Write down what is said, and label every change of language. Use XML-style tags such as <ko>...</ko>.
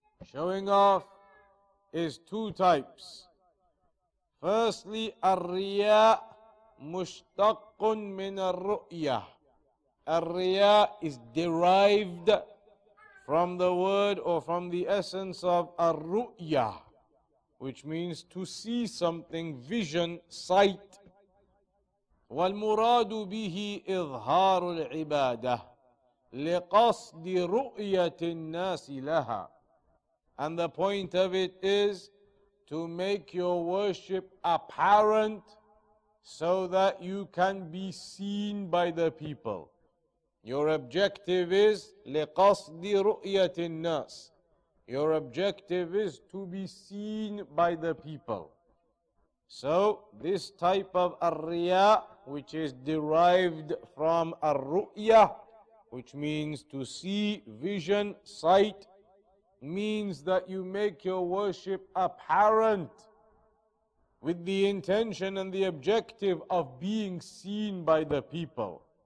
<en>Showing off is two types. Firstly,</en> <ar>الرِّيَاءُ مُشْتَقٌ مِنَ الرُّؤْيَةِ.</ar> <en>الرِّيَاءُ is derived from the word or from the essence of الرُّؤْيَةُ, which means to see something, vision, sight.</en> <ar>والمراد به إظهار العبادة لقصد رؤية الناس لها.</ar> <en>And the point of it is to make your worship apparent so that you can be seen by the people. Your objective is</en> <ar>لقصد رؤية الناس.</ar> <en>Your objective is to be seen by the people. So, this type of الرِّيَاءُ, which is derived from الرُّؤْيَةُ, which means to see, vision, sight, means that you make your worship apparent with the intention and the objective of being seen by the people.</en>